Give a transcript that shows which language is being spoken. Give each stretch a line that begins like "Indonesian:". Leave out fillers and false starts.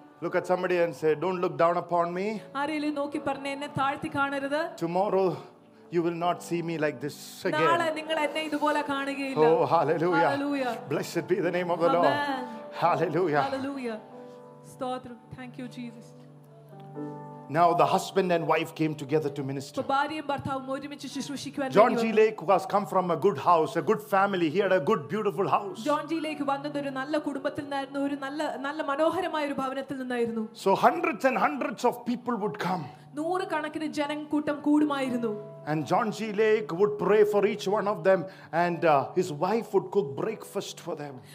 English: Look at somebody and say, don't look down upon me.
Malayalam: ആരെയും നോക്കി പറഞ്ഞേ എന്നെ താഴ്ത്തി കാണരുത്.
English: Tomorrow you will not see me like this again.
Malayalam: നാളെ നിങ്ങൾ എന്നെ ഇതുപോലെ കാണുകയില്ല.
English: Oh, hallelujah. Hallelujah. Blessed be the name of the Amen. Lord. Hallelujah. Hallelujah. Stotram. Thank you, Jesus. Now the husband and wife came together to minister.
Malayalam: ഭാര്യയും ഭർത്താവും ഒരുമിച്ച് ശുശ്രൂഷിക്കുവാൻ.
English: John G. Lake has come from a good house, a good family. He had a good beautiful house. John G.
Malayalam: Lake വന്നത് ഒരു നല്ല കുടുംബത്തിൽ നിന്നായിരുന്നു, ഒരു നല്ല നല്ല മനോഹരമായ ഒരു ഭവനത്തിൽ നിന്നായിരുന്നു.
English: So hundreds and hundreds of people would come.
Malayalam: നൂറ് കണക്കിന് ജനക്കൂട്ടം കൂടുമായിരുന്നു.
English: And John G. Lake would pray for each one of them, and his wife would cook breakfast for them.